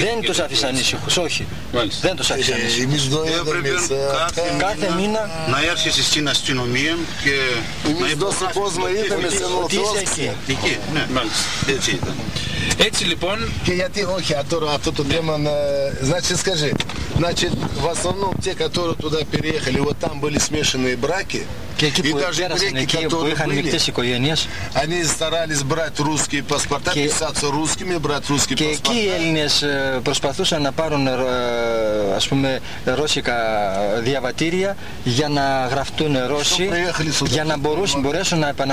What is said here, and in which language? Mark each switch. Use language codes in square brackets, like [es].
[el] Δεν τους άφησαν ήσυχους, όχι. Μάλιστα. Δεν τους άφησαν ήσυχους. Έπρεπε κάθε μήνα να έρχεσαι στην αστυνομία και να υπάρχει κόσμο. Είπαμε σε ρωτήσεις εκεί. Εκεί, ναι. Μάλιστα. Έτσι ήταν. Έτσι λοιπόν... Και γιατί όχι, τώρα αυτό το θέμα... [ru] Значит, скажи. Значит, в основном те, которые туда переехали, вот там были смешанные браки. И даже греки, которые были, они старались брать русские паспорта, писаться русскими, брать русские паспорта. [el] Και εκεί οι Έλληνες προσπαθούσαν να πάρουν, ας πούμε, ρώσικα διαβατήρια για να γραφτούν Ρώσοι, για να μπορέσουν να